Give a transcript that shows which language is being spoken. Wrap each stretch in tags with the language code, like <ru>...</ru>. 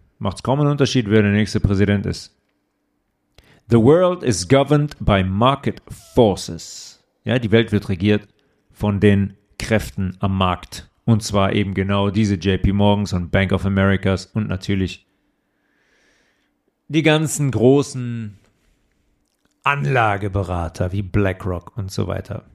<de>Macht's kaum einen Unterschied, wer der nächste Präsident ist.</de> <en>The world is governed by market forces.</en> <de>Ja, die Welt wird regiert von den Kräften am Markt. Und zwar eben genau diese JP Morgans und Bank of Americas und natürlich die ganzen großen Anlageberater wie BlackRock und so weiter.</de>